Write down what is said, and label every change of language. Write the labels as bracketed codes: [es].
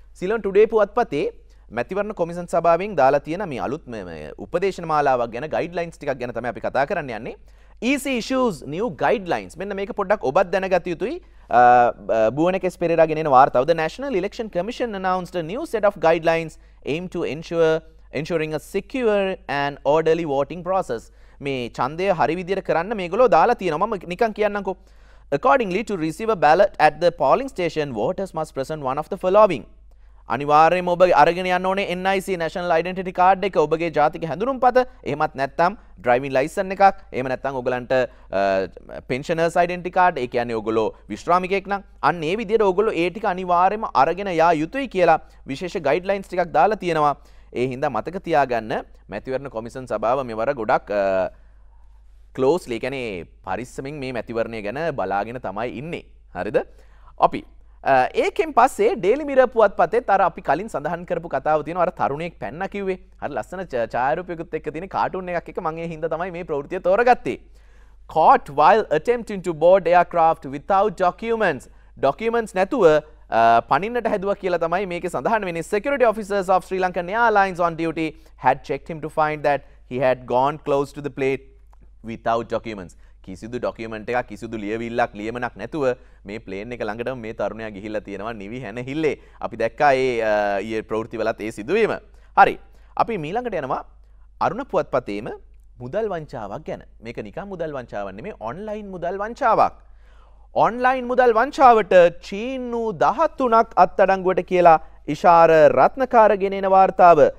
[si] Ceylon today පුවත්පතේ මැතිවරණ commission සභාවෙන් දාලා තියෙන මේ අලුත් උපදේශන මාලාවක් ගැන ගයිඩ්ලයින්ස් ටිකක් ගැන තමයි අපි කතා කරන්න යන්නේ. Easy issues New guidelines. මෙන්න මේක පොඩ්ඩක් ඔබත් දැනගත යුතුයි. බුවන කෙස් පෙරේරාගෙන එන වාර්තාවද [en] National Election Commission announced a new set of guidelines aimed to ensuring a secure and orderly voting process. [si] මේ ඡන්දය හරි විදියට කරන්න මේගොල්ලෝ දාලා තියෙනවා. මම නිකන් කියන්නම්කෝ. [en] Accordingly, to receive a ballot at the polling station, voters must present one of the following. [si] අනිවාර්යයෙන්ම ඔබ අරගෙන යන්න ඕනේ NIC National Identity Card එක, ඔබගේ ජාතික හැඳුනුම්පත, එහෙමත් නැත්නම් driving license එකක්, එහෙම නැත්නම් ඔයගලන්ට [en] pensioners identity card, [si] ඒ කියන්නේ ඔයගොල්ලෝ විශ්‍රාමිකයෙක් නම්, අන්න ඒ විදිහට ඔයගොල්ලෝ ඒ ටික අනිවාර්යයෙන්ම අරගෙන යා යුතුයි කියලා විශේෂ guidelines ටිකක් දාලා තියෙනවා. ඒ හින්දා මතක තියාගන්න, මැතිවරණ කොමිෂන් සභාව මෙවර ගොඩක් closely, කියන්නේ පරිස්සමෙන් මේ මැතිවරණය ගැන බලාගෙන තමයි ඉන්නේ. හරිද? අපි ඒකෙන් පස්සේ ඩේලි මිරර් පුවත්පතේ තර අපි කලින් සඳහන් කරපු කතාව තියෙනවා. අර තරුණයෙක් පැන්නා කිව්වේ, අර ලස්සන ඡායාරූපයකුත් එක්ක තියෙන කාටුන් එකක් එක්ක, මම ඒ හින්දා තමයි මේ ප්‍රවෘත්තිය තෝරගත්තේ. [en] Caught while attempting to board aircraft without documents. [si] Documents නැතුව පනින්නට හැදුවා කියලා තමයි මේකේ සඳහන් වෙන්නේ. [en] Security officers of Sri Lankan Airlines on duty had checked him to find that he had gone close to the plate without documents. [si] කිසිදු document එකක්, කිසිදු ලියවිල්ලක්, ලියමනක් නැතුව මේ ප්ලේන් එක ළඟටම මේ තරුණයා ගිහිල්ලා තියෙනවා නිවි හැනහිල්ලේ. අපි දැක්කා ඒ ඊයේ ප්‍රවෘත්ති වලත් ඒ සිදුවීම. හරි, අපි මීළඟට යනවා අරුණ පුවත්පතේම මුදල් වංචාවක් ගැන. මේක නිකම් මුදල් වංචාවක් නෙමෙයි, ඔන්ලයින් මුදල් වංචාවක්. ඔන්ලයින් මුදල් වංචාවට චීනු 13ක් අත්අඩංගුවට කියලා ඉෂාර රත්නකාර ගෙනෙන වාර්තාව.